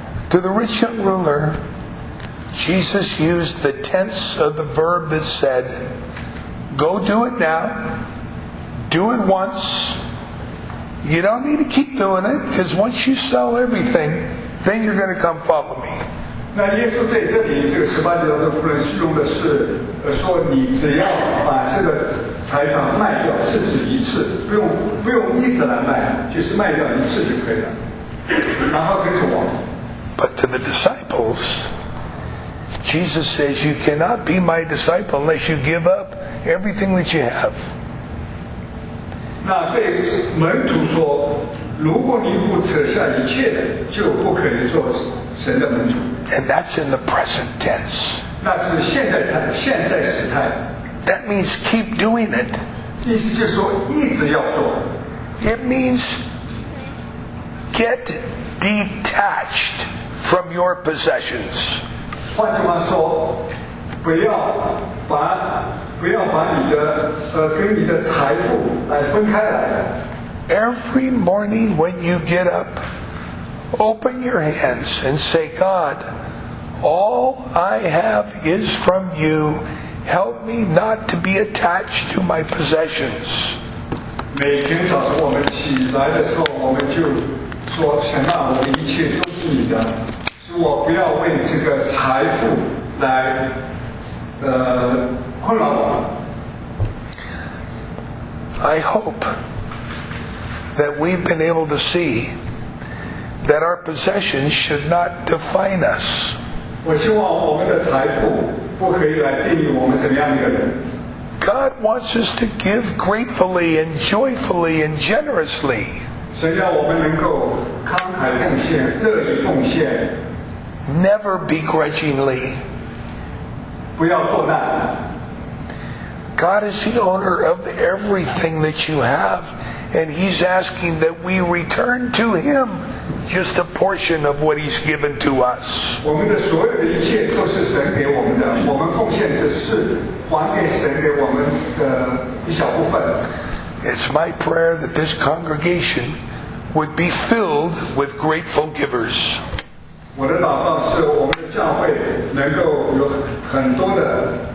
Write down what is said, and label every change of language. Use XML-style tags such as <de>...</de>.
<en>To the rich young ruler, Jesus used the tense of the verb that said, go do it now, do it once, you don't need to keep doing it, because once you sell everything, then you're going to come follow me.</en> <zh>那耶稣对这里这个十八节当中，富人虚荣的是说你只要把这个财产卖掉，甚至一次，不用一直来卖，就是卖掉一次就可以了，然后跟着我。</zh> <en>But to the disciples, Jesus says, you cannot be my disciple unless you give up everything that you have.</en> <zh>那对门徒说，如果你不扯下一切的，就不可能做神的门徒。</zh> <en>And that's in the present tense.</en> <zh>那是现在态，现在时态。</zh> <en>That means keep doing it.</en> <zh>意思就是说一直要做。</zh> <en>It means get detached. From your possessions.</en> <zh>换句话说，不要把你的跟你的财富来分开来。</zh> <en>Every morning when you get up, open your hands and say, God, all I have is from you. Help me not to be attached to my possessions.</en> <zh>每天早上我们起来的时候，我们就说，神啊，我的一切都是你的。我不要为这个财富来困扰我。</zh> <en>I hope that we've been able to see that our possessions should not define us.</en> <zh>我希望我们的财富不可以来定义我们什么样的人。</zh> <en>God wants us to give gratefully and joyfully and generously.</en> <zh>神要我们能够慷慨奉献，乐意奉献。</zh> <en>Never begrudgingly.</en> <zh>不要作难。</zh> <en>God is the owner of everything that you have, and He's asking that we return to Him just a portion of what He's given to us.</en> <zh>我们的所有的一切都是神给我们的，我们奉献只是还给神给我们的一小部分。</zh> <en>It's my prayer that this congregation would be filled with grateful givers.</en> <zh>我的祷告是我们的教会能够有很多的</zh>